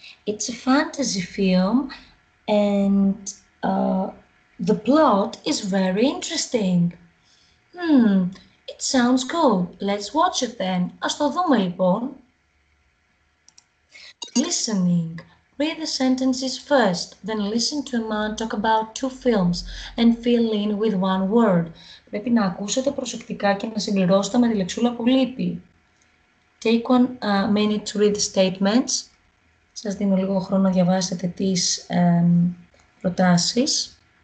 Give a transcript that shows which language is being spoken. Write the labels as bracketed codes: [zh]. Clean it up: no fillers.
[en] It's a fantasy film and the plot is very interesting. It sounds cool. Let's watch it then. [el] Ας το δούμε λοιπόν. [en] Listening. Read the sentences first, then listen to a man talk about two films and fill in with one word. [el] Πρέπει να ακούσετε προσεκτικά και να συμπληρώσετε με τη λεξούλα που λείπει. [en] Take one minute to read the statements. [el] Σας δίνω λίγο χρόνο να διαβάσετε τις προτάσεις.